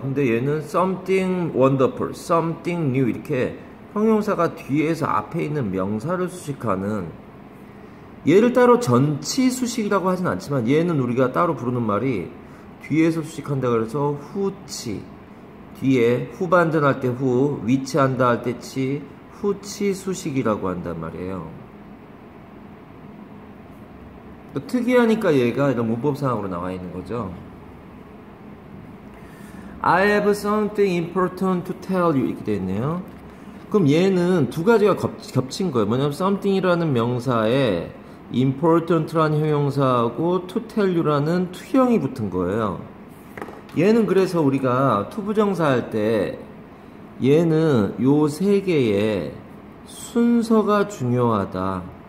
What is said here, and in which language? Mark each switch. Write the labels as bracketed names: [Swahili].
[Korean] 근데 얘는 [English] something wonderful, something new [Korean] 이렇게 형용사가 뒤에서 앞에 있는 명사를 수식하는 얘를 따로 전치 수식이라고 하진 않지만 얘는 우리가 따로 부르는 말이 뒤에서 수식한다 그래서 후치 뒤에 후반전할 때 후, 위치한다 할때 치, 후치 수식이라고 한단 말이에요. 특이하니까 얘가 이런 문법사항으로 나와 있는 거죠. [English] I have something important to tell you. [Korean] 이렇게 되어 있네요. 그럼 얘는 두 가지가 겹친 거예요. 뭐냐면 something이라는 명사에 important라는 형용사하고 to tell you라는 투형이 붙은 거예요. 얘는 그래서 우리가 to 부정사 할때 얘는 요세 개의 순서가 중요하다.